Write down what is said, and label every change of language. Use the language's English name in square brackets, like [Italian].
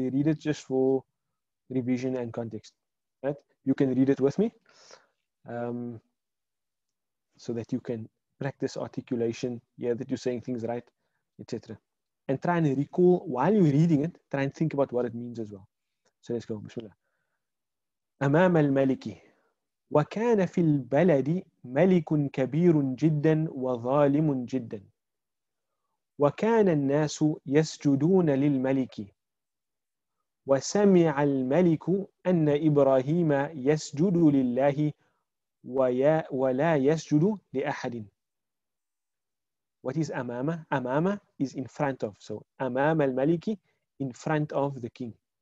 [English] We read it just for revision and context. Right? You can read it with me so that you can practice articulation, yeah, that you're saying things right, etc. And try and recall while you're reading it, try and think about what it means as well. So let's go. Bismillah. [Arabic] أمام الملك وكان في البلد ملك كبير جدا وظالم جدا وكان الناس يسجدون للملك وسمع الملك أن إبراهيم يسجد لله ولا يسجد لأحد. [English] What is amama? Amama is in front of. So amama al-maliki, in front of the king.